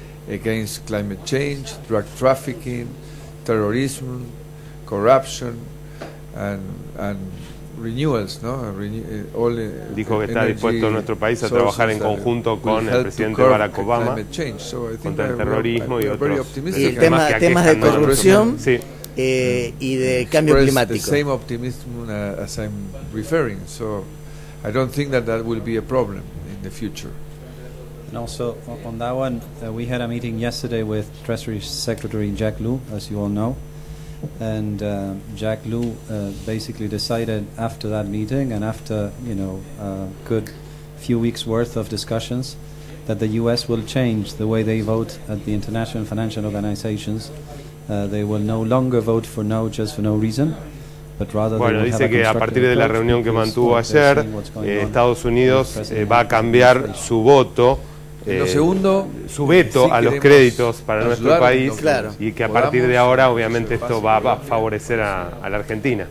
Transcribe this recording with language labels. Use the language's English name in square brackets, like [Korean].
[English] Against climate change, drug trafficking, terrorism, corruption, and renewals, no? [Spanish] All dijo que está dispuesto en nuestro país a trabajar en conjunto con el presidente Barack Obama contra el terrorismo y otros temas de corrupción, sí, y de cambio climático. [English] The same optimism as I'm referring, so I don't think that will be a problem in the future. And also on that one, we had a meeting yesterday with Treasury Secretary Jack Lew, as you all know. And Jack Lew basically decided after that meeting and after, you know, a good few weeks worth of discussions, that the U.S. will change the way they vote at the international financial organizations. They will no longer vote for no just for no reason. [Spanish] Bueno, dice que a partir de la reunión que mantuvo ayer, Estados Unidos va a cambiar su voto, su veto a los créditos para nuestro país, y que a partir de ahora obviamente esto va a favorecer a la Argentina.